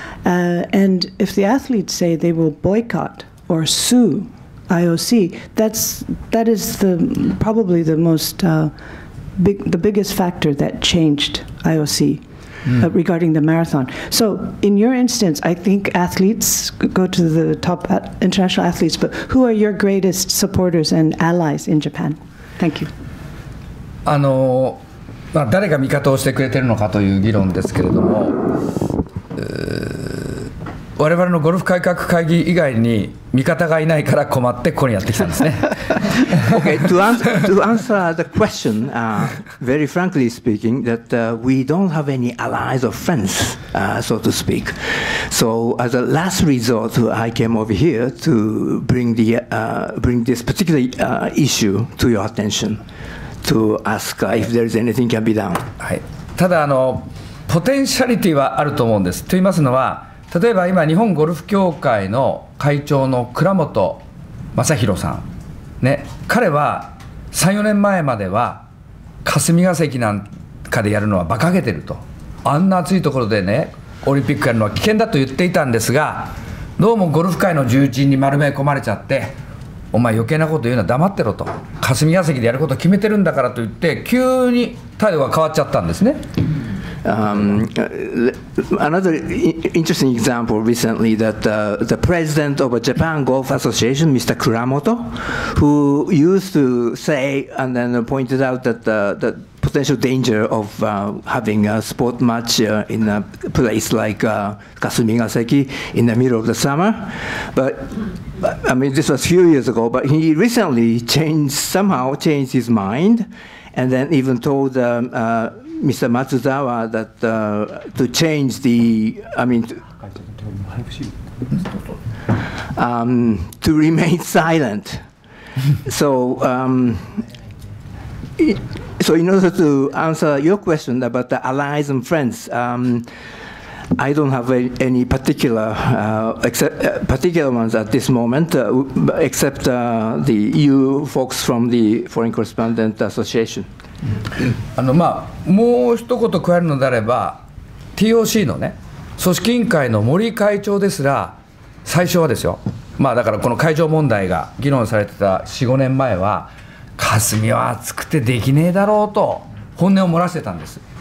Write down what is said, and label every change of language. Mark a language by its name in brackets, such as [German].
[English] And if the athletes say they will boycott or sue IOC, that is probably the most biggest factor that changed IOC regarding the marathon. So in your instance, I think athletes go to the top, international athletes, but who are your greatest supporters and allies in Japan? Thank you. [Japanese] まあ、誰が味方をしてくれてるのかという議論ですけれども、我々のゴルフ改革会議以外に味方がいないから困ってここにやってきたんですね。 [English] Okay, to answer the question, very frankly speaking, that we don't have any allies or friends, so to speak. So as a last resort, I came over here to bring this particular issue to your attention to ask if there is anything can be done. [Japanese] はい。ただポテンシャリティはあると思うんです。と言いますのは、例えば今日本ゴルフ協会の会長の倉本正弘さん、ね、彼は 3,4 年前までは霞が関なんかでやるのは馬鹿げてると、あんな暑いところでねオリンピックやるのは危険だと言っていたんですが、どうもゴルフ界の重鎮に丸め込まれちゃって、お前余計なこと言うのは黙ってろと、霞が関でやること決めてるんだからと言って急に態度が変わっちゃったんですね。 [English] Another interesting example recently that the president of a Japan Golf Association, Mr. Kuramoto, who used to say and then pointed out that the potential danger of having a sport match in a place like Kasumigaseki in the middle of the summer. But I mean, this was a few years ago, but he recently somehow changed his mind and then even told Mr. Matsuzawa that to change the, I mean, to remain silent. So So in order to answer your question about the allies and friends, I don't have any particular particular ones at this moment, except the EU folks from the Foreign Correspondent Association. [Japanese] もう一言加えるのであれば、TOC のね、組織委員会の森会長ですら、最初はですよ、まあだからこの会場問題が議論されてた4、5年前は、霞は暑くてできねえだろうと、本音を漏らしてたんです。